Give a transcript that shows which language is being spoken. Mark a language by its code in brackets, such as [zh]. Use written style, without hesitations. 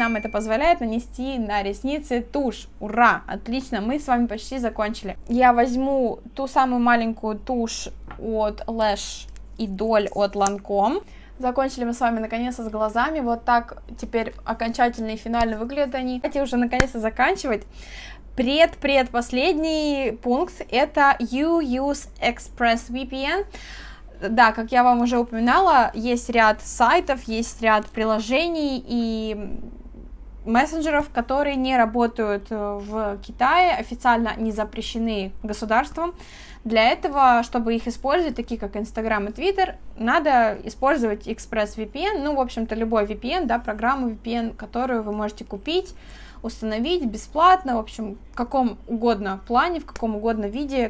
[ru] Нам это позволяет нанести на ресницы тушь. Ура! Отлично, мы с вами почти закончили. Я возьму ту самую маленькую тушь от Lash и Доль от Lancome. Закончили мы с вами наконец-то с глазами. Вот так теперь окончательно и финально выглядят они. Давайте уже наконец-то заканчивать. Предпоследний пункт это [en] You use Express VPN. [ru] Да, как я вам уже упоминала, есть ряд сайтов, есть ряд приложений и мессенджеров, которые не работают в Китае, официально не запрещены государством. Для этого, чтобы их использовать, такие как Instagram и Twitter, надо использовать Express VPN, ну, в общем-то, любой VPN, да, программу VPN, которую вы можете купить, установить бесплатно, в общем, в каком угодно плане, в каком угодно виде.